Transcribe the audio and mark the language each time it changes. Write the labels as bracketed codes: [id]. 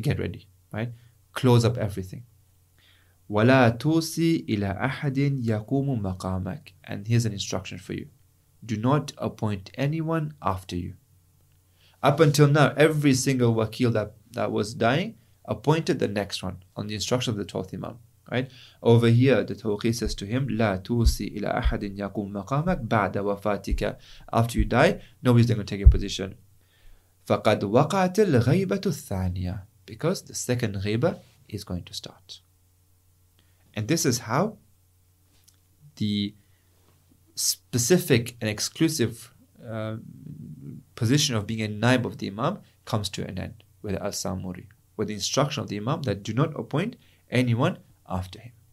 [en] Get ready, right? Close up everything. [ar] وَلَا تُوسِي إِلَىٰ أَحَدٍ يَقُومُ مَقَامَكَ. [en] And here's an instruction for you. Do not appoint anyone after you. Up until now, every single wakil that was dying appointed the next one on the instruction of the 12th imam. Right? Over here, the tawqi says to him, [ar] لَا تُوسِي إِلَىٰ أَحَدٍ يَقُومُ مَقَامَكَ بَعْدَ وَفَاتِكَ. [en] After you die, nobody's going to take your position. [ar] فَقَدْ وَقَعَتِ الْغَيْبَةُ الثَّانِيَةِ. [en] Because the second ghiba is going to start. And this is how the specific and exclusive position of being a naib of the imam comes to an end with the al-Samuri, with the instruction of the imam that do not appoint anyone after him.